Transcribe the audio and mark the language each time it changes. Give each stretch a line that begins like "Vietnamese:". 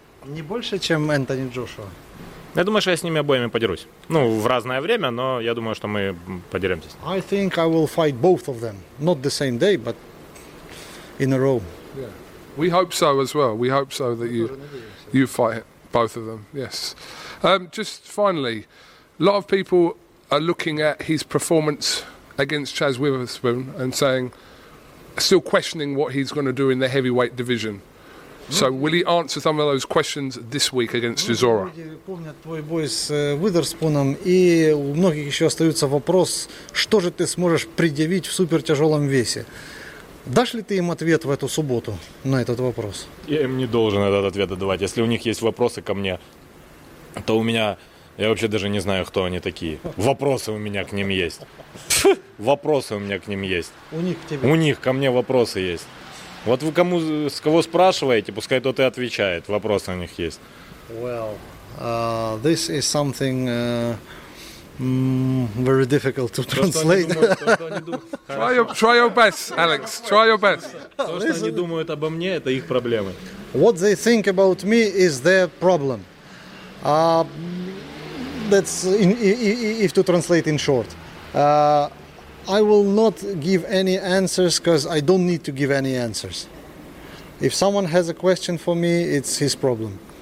Russian: Не больше, чем Энтони Джошуа. Я думаю, что я с ними обоими подерусь. Ну, в разное время, но я думаю, что мы подеремся с ними.
English: I think I will fight both of them. Not the same day, but in a row. Yeah. We hope so as well. We hope so that you fight both of them. Yes. Just finally, a lot of people are looking at his performance against Chaz Witherspoon and saying, still questioning what he's going to do in the heavyweight division. So will he answer some of those questions this week against Chisora?
Russian: Помнят твой бой с Уидерспуном, и у многих еще остается вопрос, что же ты сможешь предъявить в супертяжелом весе? Дашь ли ты им ответ в эту субботу на этот вопрос? Я им не должен этот ответ отдавать. Если у них есть вопросы ко мне, то у меня, я вообще даже не знаю, кто они такие. Вопросы у меня к ним есть. Вопросы у меня к ним есть. У них к тебе. У них ко мне вопросы есть. Вот вы кому, с кого спрашиваете, пускай тот и отвечает. Вопрос на них есть.
English: Well, this is something very difficult to translate. Try your best, Alex. Try your best.
Russian: То, что они думают обо мне, это их проблемы.
English: What they think about me is their problem. That's if to translate in short. I will not give any answers because I don't need to give any answers. If someone has a question for me, it's his problem.